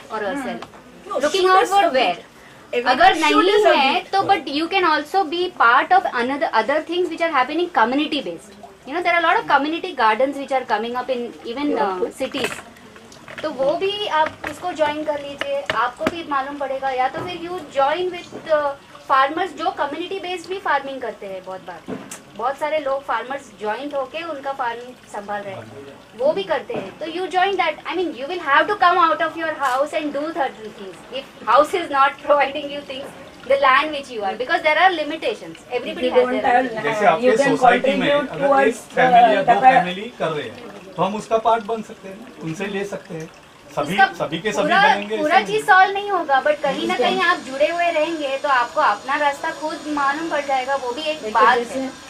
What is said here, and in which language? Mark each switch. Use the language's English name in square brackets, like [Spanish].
[Hindi] अगर नहीं है तो [English] But you can also be part of other things which are happening community based. You know, there are a lot of community gardens which are coming up in even cities. [Hindi] So, वो भी आप उसको join कर लीजिए. आपको भी मालूम पड़ेगा. या तो फिर [English] you join with farmers [Hindi] जो [English] community based [Hindi] भी farming करते हैं बहुत बार. बहुत सारे लोग [English] farmers joined [Hindi] होके उनका farm संभाल रहे हैं. वो भी करते हैं. [English] तो you join that. I mean, you will have to come out of your house and do certain things. If house is not providing you things. The land which you are, because there are limitations. Everybody has their land. [Hindi] जैसे आपके society में अगर एक family या दो family कर रहे हैं तो हम उसका पार्ट बन सकते हैं, उनसे ले सकते हैं. सभी सभी के सभी बनेंगे. पूरा चीज सॉल्व नहीं होगा, बट कहीं ना कहीं आप जुड़े हुए रहेंगे तो आपको अपना रास्ता खुद मालूम पड़ जाएगा. वो भी एक बात है.